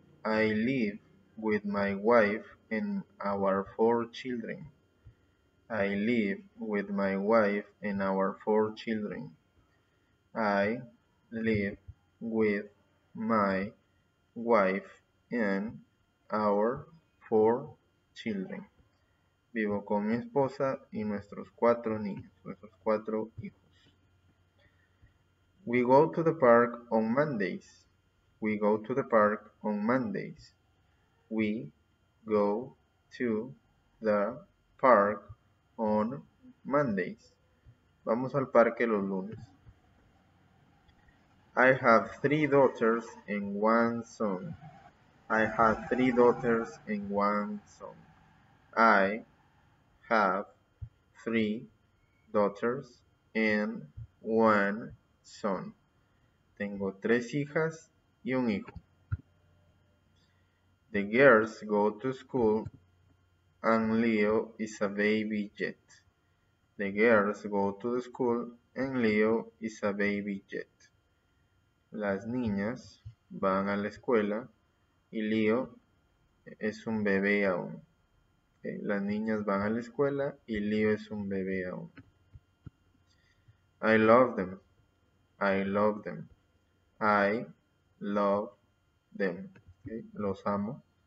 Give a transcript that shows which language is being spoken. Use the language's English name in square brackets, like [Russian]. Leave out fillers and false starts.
[English] I live with my wife and our four children. I live with my wife and our four children. I live with my wife and our four children. [Spanish] Vivo con mi esposa y nuestros cuatro niños, nuestros cuatro hijos. [English] We go to the park on Mondays. We go to the park on Mondays. We go to the park on Mondays. [Spanish] Vamos al parque los lunes. [English] I have three daughters and one son. I have three daughters and one son. I have three daughters and one son. Son. [Spanish] Tengo tres hijas y un hijo. [English] The girls go to school and Leo is a baby yet. The girls go to the school and Leo is a baby yet. [Spanish] Las niñas van a la escuela y Leo es un bebé aún. Okay. Las niñas van a la escuela y Leo es un bebé aún. [English] I love them. I love them. I love them. Okay. [Spanish] Los amo.